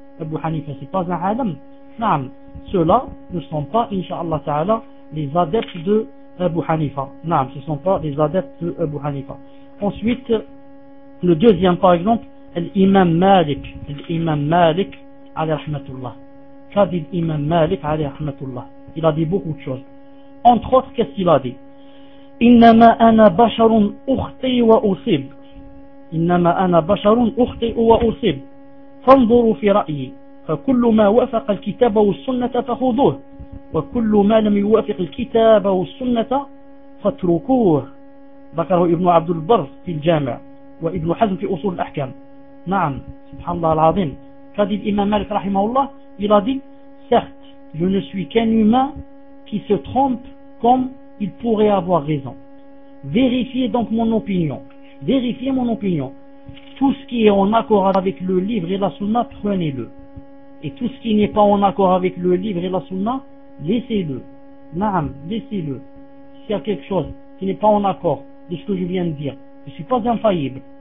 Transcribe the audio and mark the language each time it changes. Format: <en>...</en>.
<fr>Abu Hanifa, ce n'est pas un alam. Non, ceux-là ne sont pas, inshallah ta'ala, les adeptes de Abu Hanifa. Non, ce ne sont pas les adeptes de Abu Hanifa. Ensuite, le deuxième, par exemple, l'imam Malik. L'imam Malik, alayhi rahmatullah. Qu'a dit l'imam Malik, alayhi rahmatullah? Il a dit beaucoup de choses. Entre autres, qu'est-ce qu'il a dit?</fr> <ar>إنما أنا بشر أخطي وأصيب إنما أنا بشر أخطي وأصيب فانظروا في رأيي فكل ما وافق الكتاب والسنة فخذوه وكل ما لم يوافق الكتاب والسنة فاتركوه ذكره ابن عبد البر في الجامع وابن حزم في أصول الأحكام نعم سبحان الله العظيم قال الإمام مالك رحمه الله</ar> <fr>il a dit certes je ne suis qu'un humain qui se trompe comme il pourrait avoir raison. Vérifiez donc mon opinion. Vérifiez mon opinion. Tout ce qui est en accord avec le livre et la sunna, prenez-le. Et tout ce qui n'est pas en accord avec le livre et la sunna, laissez-le. Naam, laissez-le. S'il y a quelque chose qui n'est pas en accord de ce que je viens de dire, je ne suis pas infaillible.</fr>